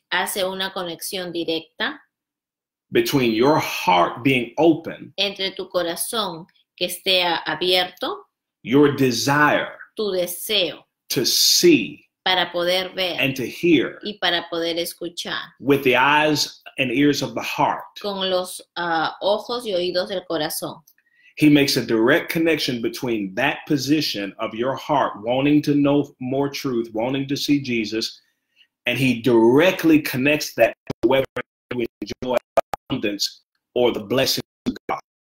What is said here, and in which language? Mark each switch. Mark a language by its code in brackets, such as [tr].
[es] hace una conexión directa [en] between your heart being open, [es] entre tu corazón que esté abierto, [en] your desire [es] tu deseo [en] to see [es] para poder ver [en] and to hear [es] y para poder escuchar [en] with the eyes and ears of the heart. [es] con los ojos y oídos del corazón. [en] He makes a direct connection between that position of your heart wanting to know more truth, wanting to see Jesus, and he directly connects that to whether you enjoy abundance or the blessing of God.